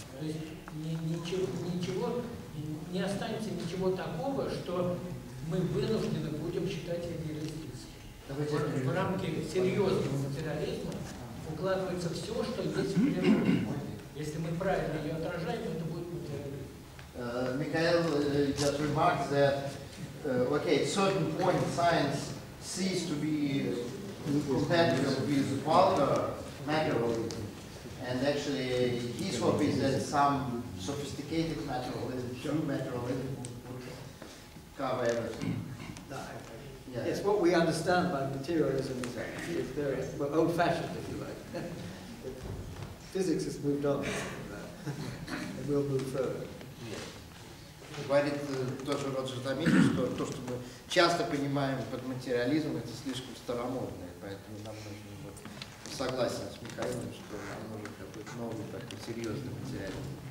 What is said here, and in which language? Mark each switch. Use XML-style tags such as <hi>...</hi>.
<ru>То есть ничего, не останется ничего такого, что мы вынуждены будем считать идеалистическим. В рамки серьезного материализма укладывается все, что есть в природе. Если мы правильно ее отражаем, это будет материализм.</ru> <en>Михаил, just remark that okay, at a certain point science ceases to be compatible with the vulgar materialism, and actually his hope is that some sophisticated materialism, true materialism, would cover everything. Yeah. Yes, what we understand by materialism is very well, old-fashioned, if you like. Physics has moved on from that, and will move further.</en> <ru>Говорит тоже Роджер Домитрий, что то, что мы часто понимаем под материализм, это слишком старомодное, поэтому нам нужно вот, согласен с Михаилом, что нам нужен какой-то новый, такой серьезный материализм.</ru>